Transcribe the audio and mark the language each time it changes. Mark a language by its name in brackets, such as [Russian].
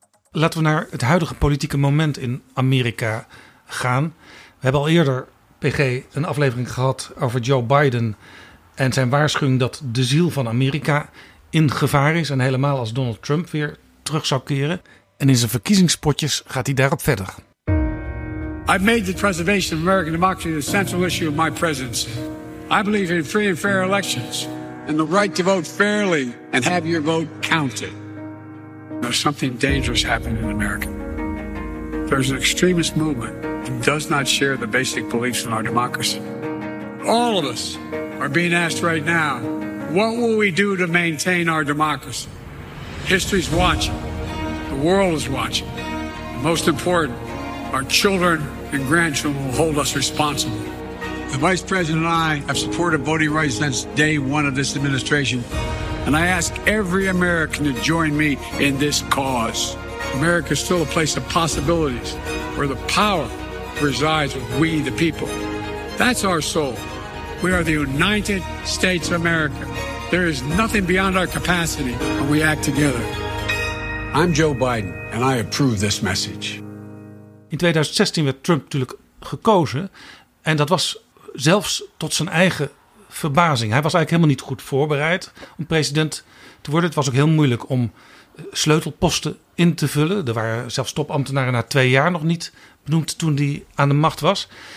[Dutch] Laten we naar het huidige politieke moment in Amerika gaan. We hebben al eerder, PG, een aflevering gehad over Joe Biden en zijn waarschuwing dat de ziel van Amerika in gevaar is. En helemaal als Donald Trump weer terug zou keren. En in zijn verkiezingsspotjes gaat hij daarop verder. [English] I've made the preservation of American democracy the central issue of my presidency. I believe in free and fair elections. And the right to vote fairly and have your vote counted. There's something dangerous happening in America. There's an extremist movement that does not share the basic beliefs in our democracy. All of us are being asked right now, what will we do to maintain our democracy? History's watching. The world is watching. And most important, our children and grandchildren will hold us responsible. The Vice President and I have supported voting rights since day one of this administration. And I ask every American to join me in this cause. America is still a place of possibilities, where the power resides with we, the people. That's our soul. We are the United States of America. There is nothing beyond our capacity, and we act together. I'm Joe Biden, and I approve this message. [Dutch] In 2016 werd Trump natuurlijk gekozen, en dat was zelfs tot zijn eigen verbazing. Hij was eigenlijk helemaal niet goed voorbereid om president te worden. Het was ook heel moeilijk om sleutelposten in te vullen. Er waren zelfs topambtenaren na 2 jaar nog niet benoemd toen hij aan de macht was.